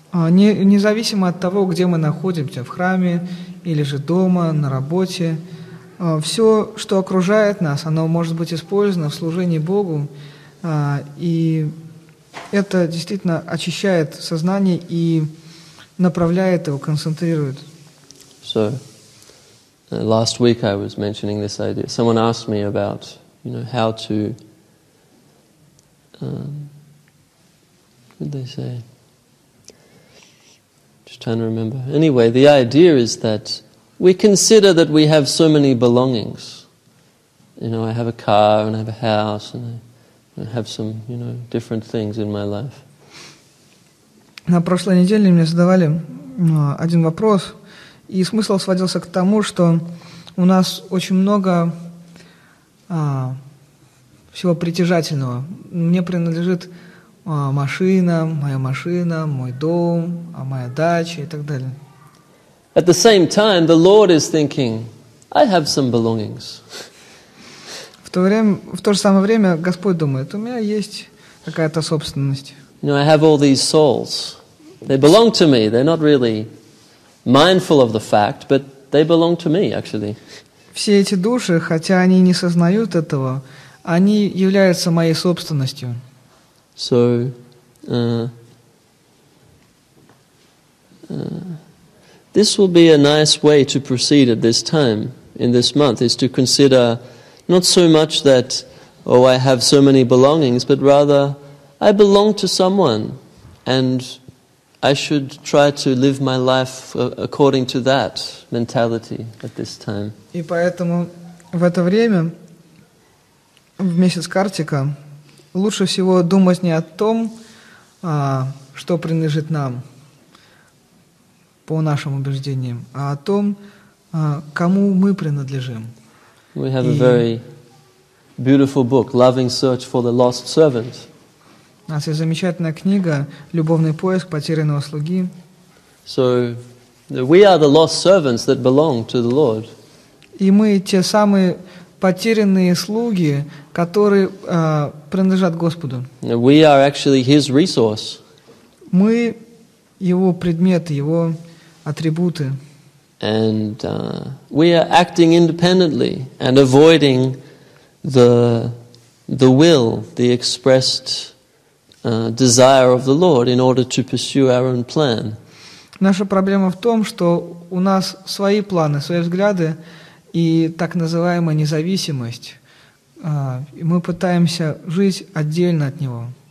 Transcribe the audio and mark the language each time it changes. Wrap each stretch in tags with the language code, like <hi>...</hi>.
<ru>Независимо от того, где мы находимся, в храме или же дома, на работе. Все, что окружает нас, оно может быть использовано в служении Богу. И это действительно очищает сознание и направляет его, концентрирует.</ru> <en>So, last week I was mentioning this idea. Someone asked me about, you know, how to... what did they say? Just trying to remember. Anyway, the idea is that we consider that we have so many belongings. You know, I have a car and I have a house and I have some, you know, different things in my life.</en> <ru>На прошлой неделе мне задавали один вопрос, и смысл сводился к тому, что у нас очень много всего притяжательного. Мне принадлежит машина, моя машина, мой дом, моя дача и так далее.</ru> <en>At the same time, the Lord is thinking, I have some belongings.</en> <ru>В то же самое время Господь думает, у меня есть какая-то собственность.</ru> <en>You know, I have all these souls. They belong to me. They're not really mindful of the fact, but they belong to me, actually.</en> <ru>Все эти души, хотя они не сознают этого, они являются моей собственностью.</ru> <en>So, this will be a nice way to proceed at this time, in this month, is to consider not so much that, oh, I have so many belongings, but rather, I belong to someone, and I should try to live my life according to that mentality at this time.</en> <ru>И поэтому в это время, в месяц Картика, лучше всего думать не о том, что принадлежит нам, по нашим убеждениям, а о том, кому мы принадлежим.</ru> <en>We have a very beautiful book, Loving Search for the Lost Servant.</en> <ru>У нас есть замечательная книга «Любовный поиск потерянного слуги».</ru> <en>So, we are the lost servants that belong to the Lord.</en> <ru>И мы те самые потерянные слуги, которые принадлежат Господу.</ru> <en>We are actually His resource.</en> <ru>Мы Его предмет, Его атрибуты.</ru> <en>And we are acting independently and avoiding the will, the expressed desire of the Lord in order to pursue our own plan.</en> <ru>Наша проблема в том, что у нас свои планы, свои взгляды и так называемая независимость. Мы пытаемся жить отдельно от Него.</ru>